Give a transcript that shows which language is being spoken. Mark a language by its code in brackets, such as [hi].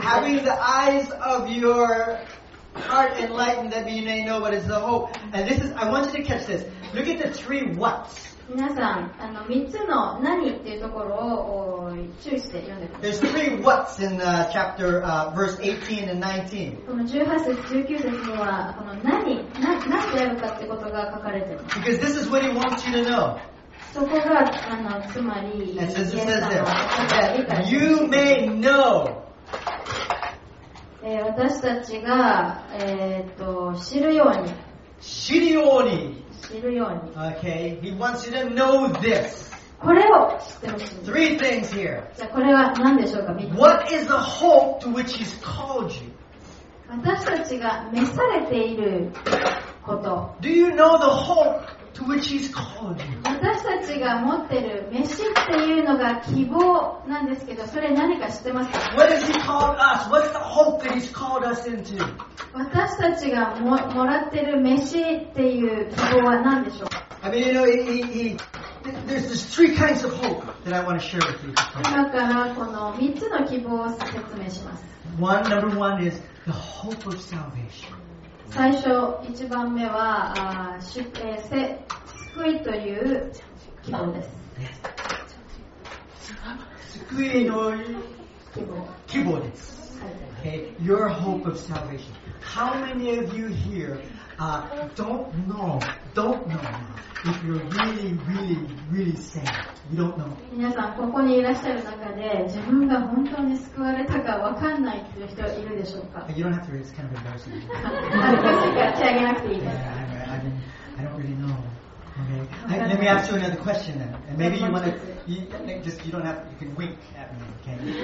[en] Having the eyes of your heart enlightened, that you may know what is the hope. And this is, I want you to catch this. Look at the three what's. [ja] 皆さん、あの3つの何っていうところを注意して読んでください。 [en] There's three what's in the chapter, verse 18 and 19. [ja] この18節、19節にはこの何であるかってことが書かれています。 [en] Because this is what he wants you to know. [ja] そこが、あのつまり、イエス様が書かれています。 [en] You may know. [ja] 私たちが、知るように。知るように。知るように。 [en] Okay, he wants you to know this. [ja] これを知ってほしい。 [en] Three things here. [ja] じゃあこれは何でしょうか。 [en] What is the hope to which he's called you? [ja] 私たちが召されていること。 [en] Do you know the hope to which he's called you? [ja] 私たちが持ってる召しっていうのが希望なんですけど、それ何か知ってますか。 [en] What has he called us? What's the hope that he's called us into? [ja] 私たちが もらってる飯っていう希望は何でしょうか。 [en] I mean, you know, there's three kinds of hope that I want to share with you. [ja] 今からこの3つの希望を説明します。 [en] One, number one is the hope of salvation. [ja] 最初、一番目は、救いという希望です。救いの希望です。 [en] Okay, your hope of salvation. How many of you here don't know if you're really, really, really saved? You don't know. [ja] 皆さんここにいらっしゃる中で自分が本当に救われたかわかんないっていう人いるでしょうか。 [en] You don't have to. It's kind of embarrassing. [ja] 恥ずかしいから手挙げなくていいです [en] 。 I don't really know. Okay. Let me ask you another question then. And maybe you want to, you don't have, you can wink at me, okay?